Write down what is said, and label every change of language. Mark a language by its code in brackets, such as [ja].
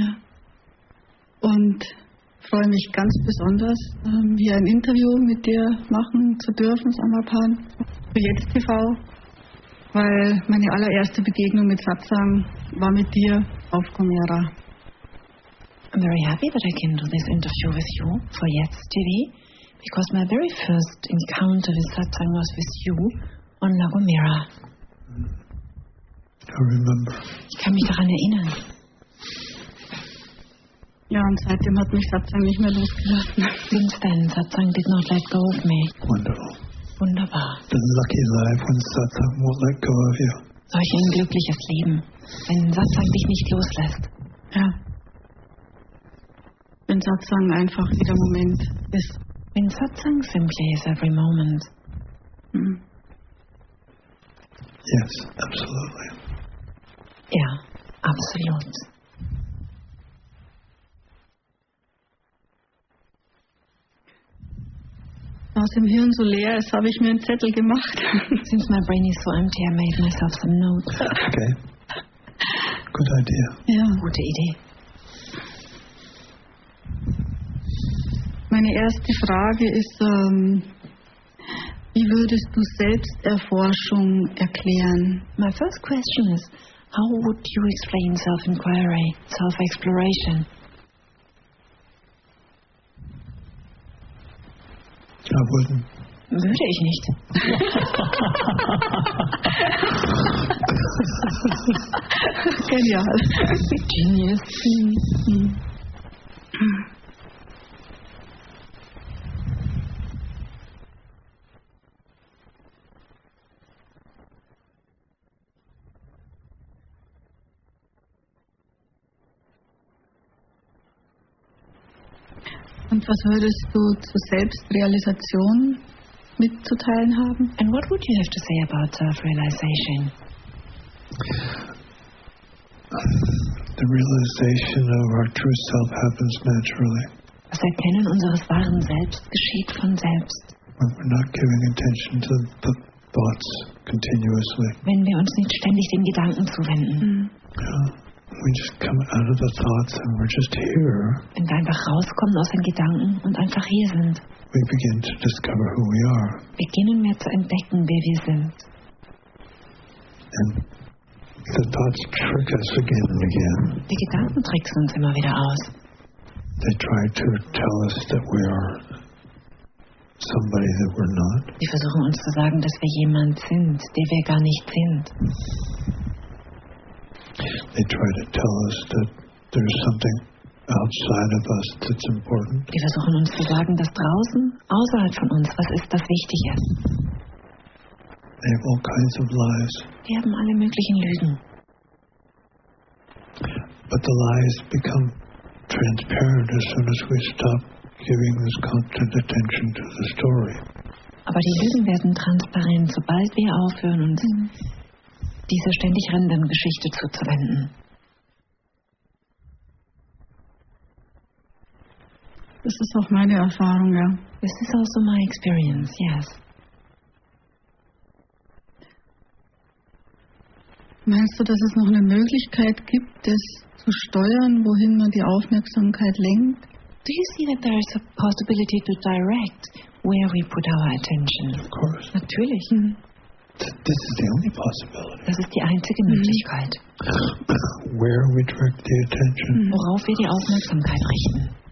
[de] Ja. Und freue mich ganz besonders, hier ein Interview mit dir machen zu dürfen, Samapan, für Jetzt TV, weil meine allererste Begegnung mit Satsang war mit dir auf Gomera. [en] I'm very happy that I can do this interview with you for Jetzt TV, because my very first encounter with Satsang was with you on La Gomera. I remember. [de] Ich kann mich daran erinnern. Ja, und seitdem hat mich Satsang nicht mehr losgelassen. [en] Since then, Satsang did not let go of me. Wonderful. [de] Wunderbar. [en] The lucky life when Satsang won't let go of you. [de] Solch ein glückliches Leben, wenn Satsang dich nicht loslässt. Ja. Wenn Satsang einfach jeder Moment ist. [en] When Satsang simply is every moment. Yes, absolutely. [de] Ja, absolut. Aus dem Hirn so leer ist, habe ich mir einen Zettel gemacht. [en] Since my brain is so empty, I made myself some notes. Okay. Good idea. [de] Ja. Gute Idee. Meine erste Frage ist, wie würdest du Selbsterforschung erklären? [en] My first question is, how would you explain self-inquiry, self-exploration? I wouldn't. [de] Würde ich nicht. Genial. [en] Genius. [de] Und was würdest du zur Selbstrealisation mitzuteilen haben? [en] And what would you have to say about self-realization? The realization of our true self happens naturally. [de] Das Erkennen unseres wahren Selbst geschieht von selbst. [en] When we're not giving attention to the thoughts continuously. [de] Wenn wir uns nicht ständig den Gedanken zuwenden. [en] We just come out of the thoughts and we're just here. [de] Wenn wir einfach rauskommen aus den Gedanken und einfach hier sind. [en] We begin to discover who we are. [de] Beginnen wir zu entdecken, wer wir sind. [en] And the thoughts trick us again and again. [de] Die Gedanken tricksen uns immer wieder aus. [en] They try to tell us that we are somebody that we're not. [de] Die versuchen uns zu sagen, dass wir jemand sind, der wir gar nicht sind. [en] They try to tell us that there's something outside of us that's important. [de] Die versuchen uns zu sagen, dass draußen, außerhalb von uns, was ist, das wichtig ist. [en] They have all kinds of lies. [de] Die haben alle möglichen Lügen. [en] But the lies become transparent as soon as we stop giving this constant attention to the story. [de] Aber die Lügen werden transparent, sobald wir aufhören und diese ständig rennenden Geschichte zuzuwenden. Das ist auch meine Erfahrung, ja. [en] This is also my experience, yes. [de] Meinst du, dass es noch eine Möglichkeit gibt, das zu steuern, wohin man die Aufmerksamkeit lenkt? [en] Do you see that there is a possibility to direct where we put our attention? Of course. [de] Natürlich. [en] This is the only possibility. [de] Das ist die einzige Möglichkeit. [en] Where we direct the attention. [de] Worauf wir die Aufmerksamkeit richten.